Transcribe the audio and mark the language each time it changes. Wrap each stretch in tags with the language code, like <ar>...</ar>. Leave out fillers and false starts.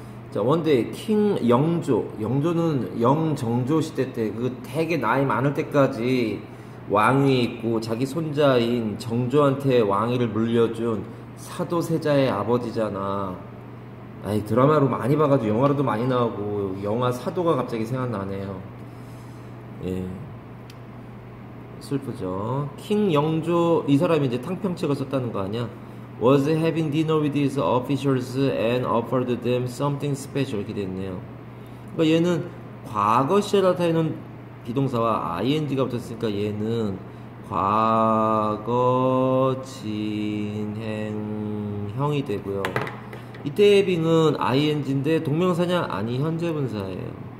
<ko>자,</ko> <en>원데이 킹</en> <ko>영조. 영조는 영정조 시대 때그 되게 나이 많을 때까지 왕위 있고 자기 손자인 정조한테 왕위를 물려준 사도세자의 아버지잖아. 아이, 드라마로 많이 봐가지고 영화로도 많이 나오고 영화 사도가 갑자기 생각나네요. 예. 슬프죠. 킹 영조, 이 사람이 이제 탕평책을 썼다는 거 아니야?</ko> <en>Was having dinner with his officials and offered them something special.</en> <ko>이렇게 됐네요. 그러니까 얘는 과거 시제 나타내는 비동사와 ing가 붙었으니까 얘는 과거 진행형이 되고요. 이때의 being은 ing인데 동명사냐? 아니, 현재 분사예요.</ko>